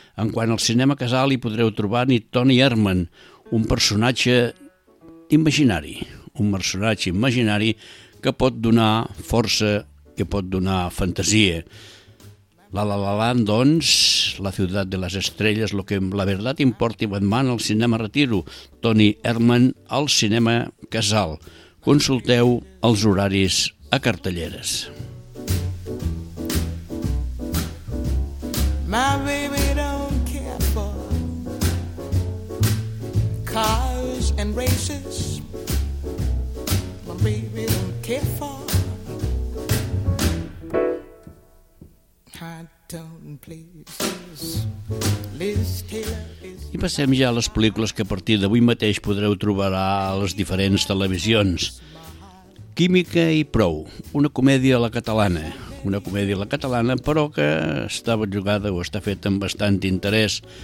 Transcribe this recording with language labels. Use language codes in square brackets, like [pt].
[ca] En quant al cinema Casal hi podreu trobar ni Tony Herman, un personatge imaginari, un personatge imaginari que pot donar força, que pot donar fantasia. La La La Land, doncs, la ciutat de les estrelles, Lo que la verdad importa i Batman al cinema Retiro, Tony Herman al cinema Casal. Consulteu els horaris a cartelleres. [en] My baby don't care for cars and races. My baby don't care for high-tone places. Liz Taylor is... [ca] I passem ja a les pel·lícules que a partir d'avui mateix podreu trobar a les diferents televisions. Química i prou, una comèdia a la catalana. Una comèdia a la catalana, però que està jugada o està feta amb bastant interès.